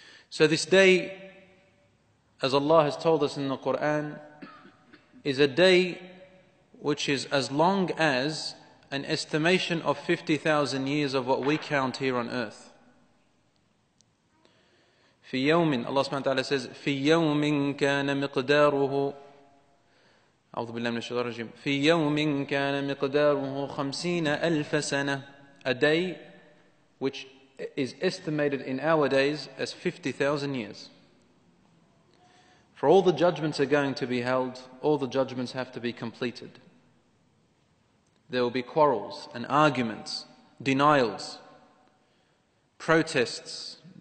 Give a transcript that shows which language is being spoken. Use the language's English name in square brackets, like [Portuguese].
[English] So this day, as Allah has told us in the Quran, is a day which is as long as an estimation of 50,000 years of what we count here on earth. [Arabic] في يوم الله سبحانه وتعالى says في يوم كان مقداره أعوذ بالله من الشيطان الرجيم في يوم كان مقداره 50,000 سنة. [English] A day which is estimated in our days as 50,000 years. For all the judgments are going to be held, all the judgments have to be completed. There will be quarrels and arguments, denials, protests.